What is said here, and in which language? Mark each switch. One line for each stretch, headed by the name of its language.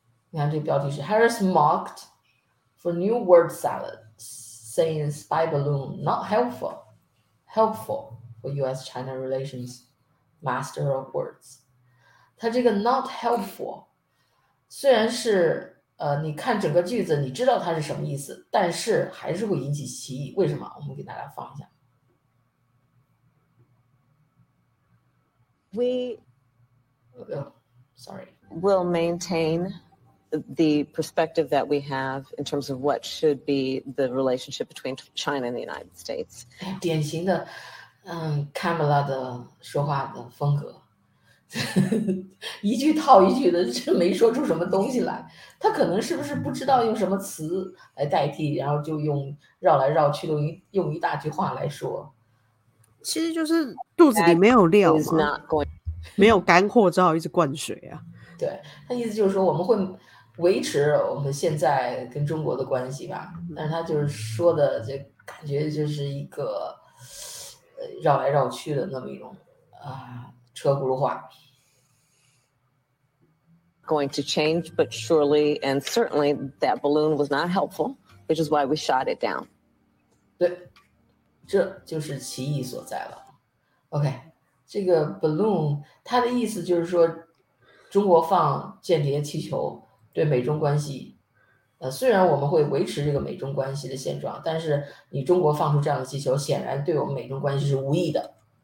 Chinese: 你看这个标题是
English: Harris mocked for new word salad, saying spy balloon not helpful for U.S.-China relations, master of words。
Chinese: 他这个 not helpful 虽然是你看整个句子你知道它是什么意思，但是还是会引起歧义，为什么？我们给大家放一下。
English: We will maintain the perspective that we have in terms of what should be the relationship between China and the United States。
Chinese: 典型的Kamala 的说话的风格一句套一句的，就没说出什么东西来。他可能是不是不知道用什么词来代替，然后就用绕来绕去的用一大句话来说，其实就是肚子里没有料嘛，没有干货，只好一直灌水啊。对，他意思就是说我们会维持我们现在跟中国的关系吧，但是他就是说的就感觉就是一个绕来绕去的那么一种车轱辘话。
English: Going to change, but surely and certainly that balloon was not helpful, which is why we shot it down.
Chinese: 对，这就是歧义所在了。OK， 这个 balloon 它的意思就是说，中国放间谍气球对美中关系，虽然我们会维持这个美中关系的现状，但是你中国放出这样的气球，显然对我们美中关系是无益的。